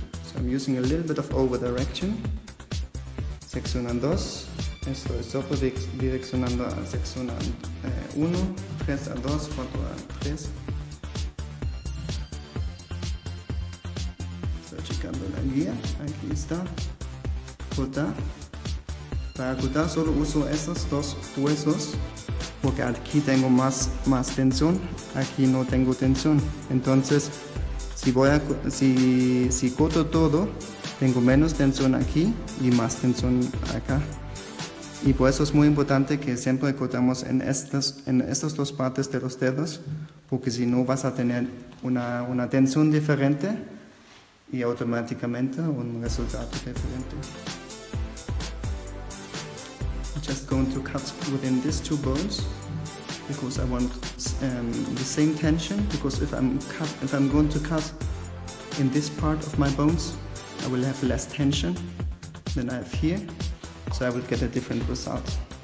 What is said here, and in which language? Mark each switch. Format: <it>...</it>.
<en>So I'm using a little bit of over direction.</en> <es>Sección 2, esto es solo direccionando a sección 1, 3 a 2, 4 a 3. Estoy checando la guía, aquí está. Cortar. Para cortar solo uso estos dos huesos, porque aquí tengo más tensión, aquí no tengo tensión. Entonces, si corto todo, tengo menos tensión aquí y más tensión acá. Y por eso es muy importante que siempre cortamos en estas dos partes de los dedos, porque si no vas a tener una tensión diferente y automáticamente un resultado diferente.</es> <en>I'm just going to cut within these two bones because I want the same tension, because if I'm going to cut in this part of my bones, I will have less tension than I have here, so I will get a different result.</en>